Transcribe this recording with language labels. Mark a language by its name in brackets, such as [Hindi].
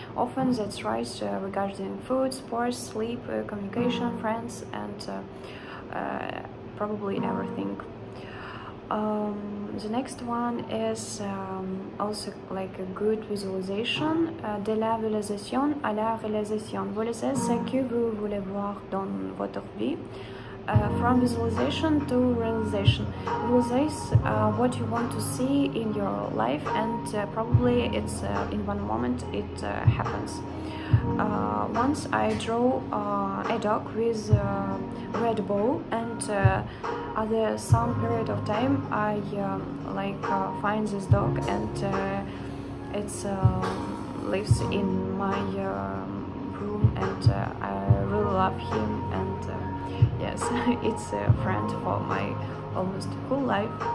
[English] Often that's right regarding food, sports, sleep, communication, friends, and probably everything. The next one is also like a good visualization. [French] De la visualisation à la réalisation. Vous savez ce que vous voulez voir dans votre vie. [English] From visualization to realization. Visualize what you want to see in your life, and probably it's in one moment it happens. Once I draw a dog with a red bow, and after some period of time I find this dog, and it lives in my room, and I really love him, and yes, it's a friend for my almost whole life.